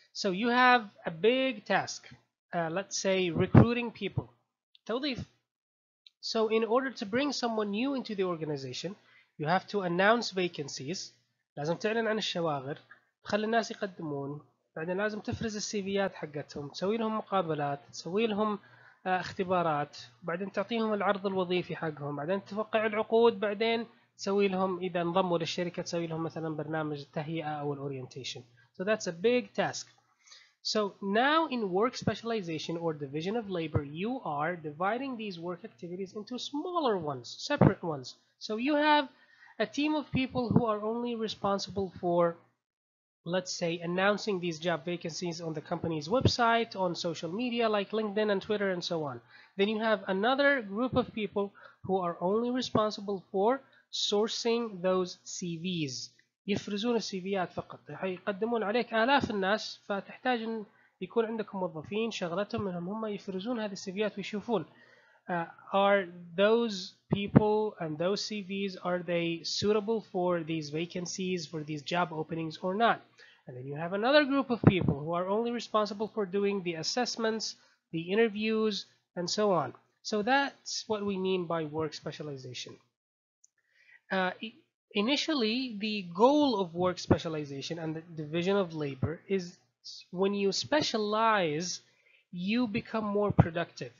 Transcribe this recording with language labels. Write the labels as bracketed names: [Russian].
[English] So you have a big task, let's say recruiting people. So in order to bring someone new into the organization, you have to announce vacancies. [Arabic] لازم تعلن عن الشواغر، تخلي الناس يقدمون، بعدين لازم تفرز السيفيات حقتهم، تسوي لهم مقابلات، تسوي لهم اختبارات، بعدين تعطيهم العرض الوظيفي حقهم، بعدين تتوقع العقود، بعدين تسوي لهم إذا انضموا للشركة تسوي لهم مثلا برنامج التهيئة أو الorientation. [English] So that's a big task. So now in work specialization or division of labor, you are dividing these work activities into smaller ones, separate ones. So you have a team of people who are only responsible for, let's say, announcing these job vacancies on the company's website, on social media like LinkedIn and Twitter and so on. Then you have another group of people who are only responsible for sourcing those CVs. [Arabic] يفرزون السيفيات فقط حيقدمون عليك آلاف الناس فتحتاج أن يكون عندكم موظفين شغلتهم منهم هم يفرزون هذه السيفيات ويشوفون [English] are those people and those CVs are they suitable for these vacancies for these job openings or not? And then you have another group of people who are only responsible for doing the assessments, the interviews, and so on. So that's what we mean by work specialization. Initially, the goal of work specialization and the division of labor is when you specialize, you become more productive.